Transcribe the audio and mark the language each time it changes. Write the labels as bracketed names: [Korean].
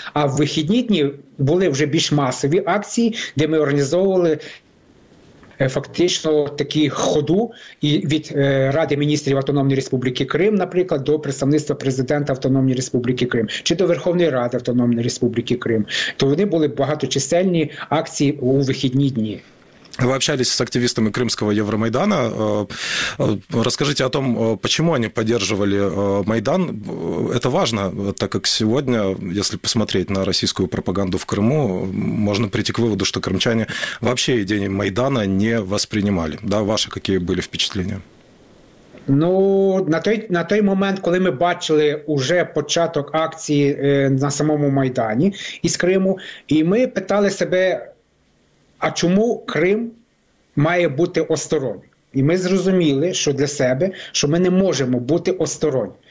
[Ukrainian] А в вихідні дні були вже більш масові акції, де ми організовували фактично такі ходу і від Ради міністрів Автономної Республіки Крим, наприклад, до представництва президента Автономної Республіки Крим чи до Верховної Ради Автономної Республіки Крим. То вони були багаточисельні акції у вихідні дні. [Russian] Вы общались с активистами Крымского Евромайдана. Расскажите о том, почему они поддерживали Майдан. Это важно, так как сегодня, если посмотреть на российскую пропаганду в Крыму, можно прийти к выводу, что крымчане вообще идеи Майдана не воспринимали. Да, ваши какие были впечатления? [Ukrainian] Ну, на той момент, коли ми бачили уже початок акції на самому Майдані із Криму, і ми питали себе, а чому Крим має бути осторонь? І ми зрозуміли, що для себе, що ми не можемо бути осторонь.